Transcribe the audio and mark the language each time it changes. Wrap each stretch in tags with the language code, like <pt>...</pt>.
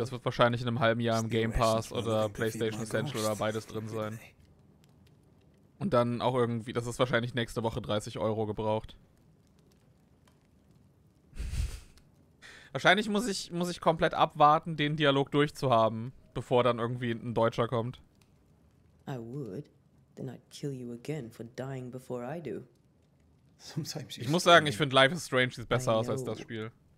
<de>Das wird wahrscheinlich in einem halben Jahr im Game Pass oder PlayStation Essential oder beides drin sein. Und dann auch irgendwie, das ist wahrscheinlich nächste Woche 30 Euro gebraucht. Wahrscheinlich muss ich komplett abwarten, den Dialog durchzuhaben, bevor dann irgendwie ein Deutscher kommt.</de> <en>I would, then I'd kill you again for dying before I do.</en> <de>Ich muss sagen, ich finde Life is Strange sieht besser aus als das Spiel.</de>